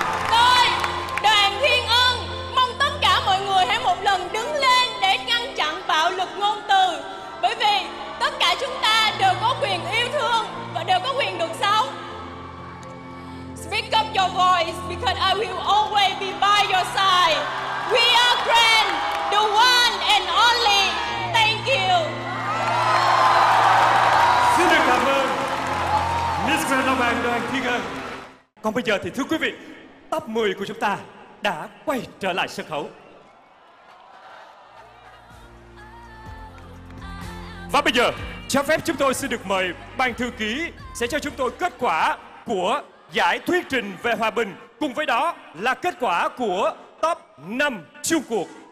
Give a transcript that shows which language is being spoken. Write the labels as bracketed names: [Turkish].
[Vietnamese] Tôi, Đoàn Thiên Ân, mong tất cả mọi người hãy một lần đứng lên để ngăn chặn bạo lực ngôn từ. Bởi vì tất cả chúng ta đều có quyền yêu thương và đều có quyền được sống. [English] Speak up your voice because I will always be by your side. We are grand, the one and only. Thank you. [Vietnamese] Xin được cảm ơn Miss Grand Long An Đoàn Thiên Ân. Còn bây giờ thì thưa quý vị, top 10 của chúng ta đã quay trở lại sân khấu. Và bây giờ, cho phép chúng tôi xin được mời ban thư ký sẽ cho chúng tôi kết quả của giải thuyết trình về hòa bình, cùng với đó là kết quả của top 5 chung cuộc.